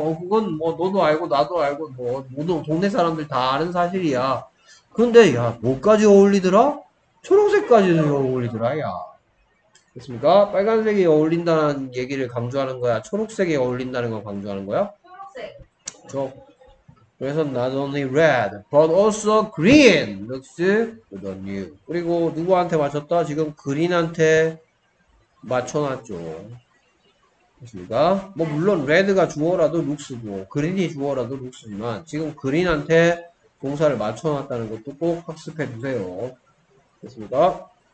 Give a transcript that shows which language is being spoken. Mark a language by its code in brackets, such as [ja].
[ko] 그건 뭐 너도 알고 나도 알고 뭐 모든 동네 사람들 다 아는 사실이야. 근데 야, 뭐까지 어울리더라? 초록색까지도 어울리더라, 야. 됐습니까? 빨간색이 어울린다는 얘기를 강조하는 거야? 초록색이 어울린다는 걸 강조하는 거야? 그렇죠. 그래서 [en] not only red, but also green looks good on you. [ko] 그리고 누구한테 맞췄다? 지금 그린한테 맞춰놨죠. 그렇습니까? 뭐 물론 레드가 주어라도 looks고, 그린이 주어라도 looks지만 지금 그린한테 동사를 맞춰놨다는 것도 꼭 학습해주세요. 그렇습니까?